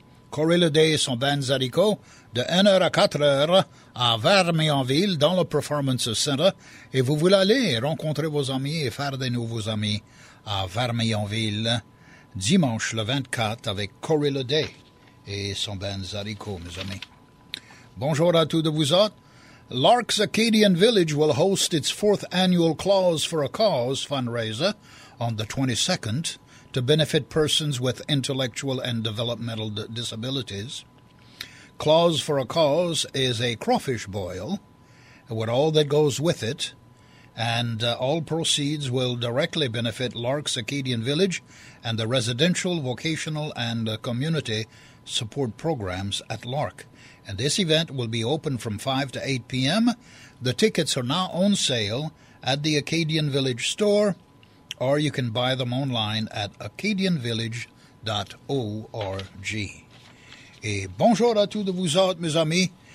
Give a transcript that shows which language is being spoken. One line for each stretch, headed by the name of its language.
French: Corey Leday et son band Zarico, de 1h à 4h à Vermillonville, dans le Performance Center. Et vous voulez aller rencontrer vos amis et faire des nouveaux amis à Vermillonville, dimanche le 24, avec Corey Leday et son band Zarico, mes amis. Bonjour à tous de vous autres.
English: Lark's Acadian Village will host its fourth annual Claws for a Cause fundraiser on the 22nd to benefit persons with intellectual and developmental disabilities. Claws for a Cause is a crawfish boil with all that goes with it, and all proceeds will directly benefit Lark's Acadian Village and the residential, vocational, and community support programs at Lark. And this event will be open from 5 to 8 p.m. The tickets are now on sale at the Acadian Village store, or you can buy them online at acadianvillage.org.
French: Et bonjour à tous de vous autres, mes amis.